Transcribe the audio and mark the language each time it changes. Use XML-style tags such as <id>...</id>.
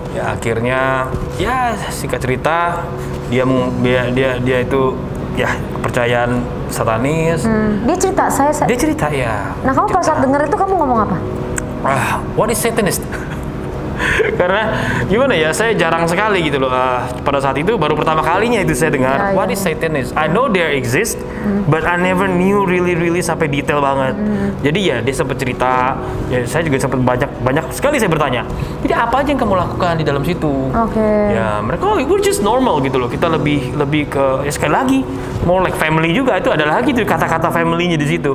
<id>Ya akhirnya, ya singkat cerita, dia itu ya kepercayaan satanis. Dia cerita saya. Dia cerita ya. Nah kamu pas saat dengar itu kamu ngomong apa?</id> <en>What is satanist?</en> <id>Karena gimana ya, saya jarang sekali gitu loh pada saat itu baru pertama kalinya itu saya dengar ya.</id> <en>What is satanist? I know they exist, but I never knew really</en> <id>sampai detail banget. Jadi ya dia sempat cerita, ya saya juga sempat banyak sekali saya bertanya. Jadi apa aja yang kamu lakukan di dalam situ?</id> <en>Okay.</en> <id>Ya mereka,</id> <en>oh we're just normal</en> <id>gitu loh. Kita lebih ke, ya sekali lagi,</id> <en>more like family</en> <id>juga. Itu adalah lagi tuh kata-kata family-nya di situ.</id>